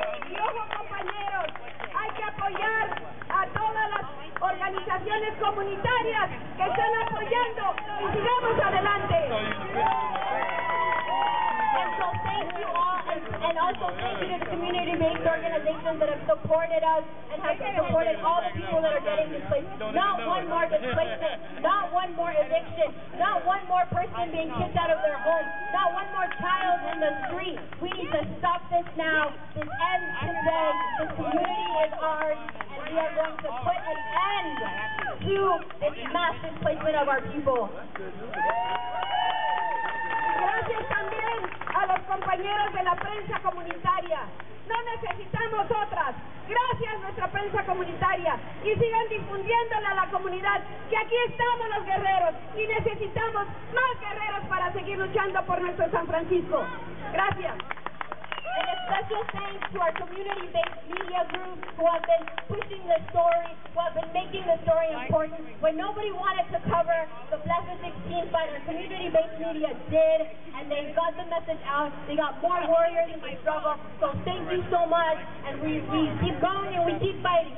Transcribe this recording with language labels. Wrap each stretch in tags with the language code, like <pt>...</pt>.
<es>Y ojo, compañeros, hay que apoyar a todas las organizaciones comunitarias que están apoyando y sigamos adelante.</es> <en>And also thank you to the community-based organizations that have supported us and have supported all the people that are getting displaced. Not one more displacement, not one more eviction, not one more person being kicked out of their home, not one more child in the street. We need to stop this now. This ends today. The community is ours, and we are going to put an end to this mass displacement of our people.</en> <es>También a los compañeros de la prensa comunitaria. No necesitamos otras. Gracias nuestra prensa comunitaria y sigan difundiéndole a la comunidad que aquí estamos los guerreros y necesitamos más guerreros para seguir luchando por nuestro San Francisco. Gracias.</es> <en>And a special thanks to our community-based media groups who have been pushing the story, who have been making the story important. When nobody wanted to cover the Blessed 16 fight, our community-based media did, and they got the message out. They got more warriors in the struggle. So thank you so much, and we keep going and we keep fighting.</en>